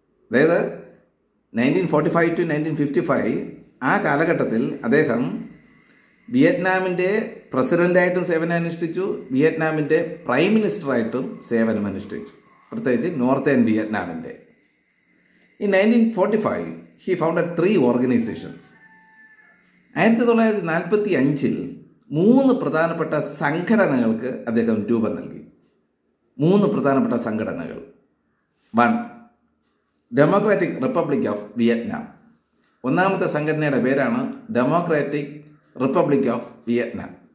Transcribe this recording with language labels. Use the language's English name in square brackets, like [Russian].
[Malayalam] അതായത് 1945 to 1955 ആ കാലഘട്ടത്തിൽ അദ്ദേഹം വിയറ്റ്നാമിൻ്റെ പ്രസിഡൻ്റായിട്ടും സേവനമനുഷ്ഠിച്ചു, വിയറ്റ്നാമിൻ്റെ പ്രൈം മിനിസ്റ്ററായിട്ടും സേവനമനുഷ്ഠിച്ചു, പ്രത്യേകിച്ച് northern വിയറ്റ്നാമിൻ്റെ. [English] In 1945 he founded 3 organisations. [Malayalam] 1945 മൂന്ന് പ്രധാനപ്പെട്ട സംഘടനകൾക്ക് അദ്ദേഹം രൂപം നൽകി. മൂന്ന് പ്രധാനപ്പെട്ട സംഘടനകൾ: 1. Democratic Republic of Vietnam. ഒന്നാമത്തെ സംഘടനയുടെ പേരാണ് ഡെമോക്രാറ്റിക് റിപ്പബ്ലിക് ഓഫ് വിയറ്റ്നാം.